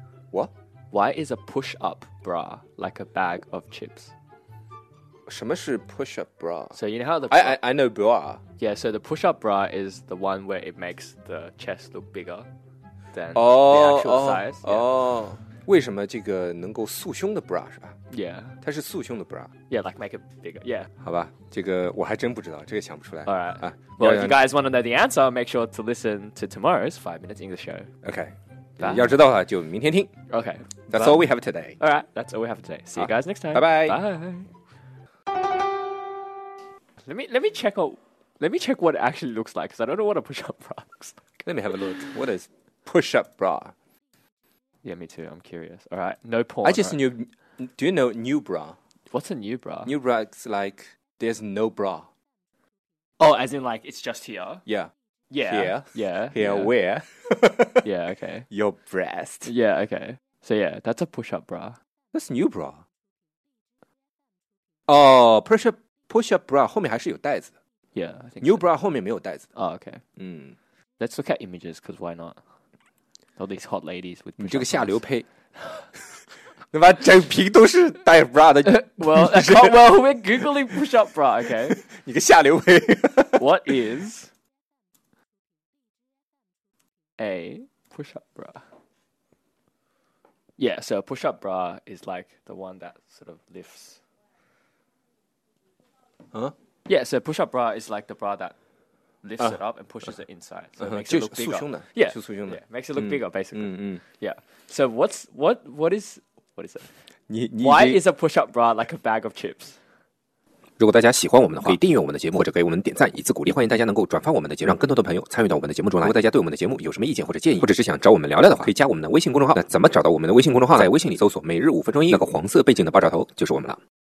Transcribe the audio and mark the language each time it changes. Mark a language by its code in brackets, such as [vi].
[en] What? Why is a push-up bra like a bag of chips? [zh] 什么是 push-up bra? [en] So you know how the I know bra. Yeah. So the push-up bra is the one where it makes the chest look bigger than the actual size. Oh. [zh] 为什么这个能够塑胸的 bra 是吧 [en] ？Yeah， [zh] 它是塑胸的 bra。 [en] Yeah， like make it bigger。 Yeah， [zh] 好吧，这个我还真不知道，这个想不出来。 [en] All right， 啊 ，Well， if you guys want to know the answer， make sure to listen to tomorrow's 5 minutes English show。 [zh] Okay， 要知道的话就明天听。 [en] Okay， that's all we have today。 All right， that's all we have today。 See you guys next time。 Bye bye。 Let me check out. Let me check what it actually looks like because I don't know what a push-up bra looks like. Let me have a look. What is push-up bra？ Yeah, me too. I'm curious. All right. No porn. I just knew. Do you know new bra? What's a new bra? New bra is like there's no bra. Oh, as in like it's just here? Yeah. Yeah. Here. Yeah. Here. Yeah. Where? Yeah, okay. Your breast. Yeah, okay. So yeah, that's a push-up bra. That's new bra. [zh] Oh, push-up bra 后面还是有带子的。 [en] Yeah, I think New so. [zh] bra 后面没有带子的。 [en] Oh, okay. Mm. Let's look at images because why not? All these hot ladies with [zh] 你这个下流胚，那把整屏都是带 bra 的。 [en] Well, we're googling push-up bra, okay? [zh] 你个下流胚。 [en] What is a push-up bra? Yeah, so a push-up bra is like the one that sort of lifts. Huh? Yeah, so a push-up bra is like the bra that. Lifts it up and pushes it inside, so it makes it look bigger. Yeah, [zh] 塑胸的 [en] makes it look bigger, basically. Mm, mm. Yeah. So what is it? Why is a push-up bra like a bag of chips? [zh] 如果大家喜欢我们的话，可以订阅我们的节目或者给我们点赞以资鼓励。欢迎大家能够转发我们的节目，让更多的朋友参与到我们的节目中来。如果大家对我们的节目有什么意见或者建议，或者是想找我们聊聊的话，可以加我们的微信公众号。那怎么找到我们的微信公众号呢？在微信里搜索"每日五分钟英语"，那个黄色背景的爆炸头就是我们了。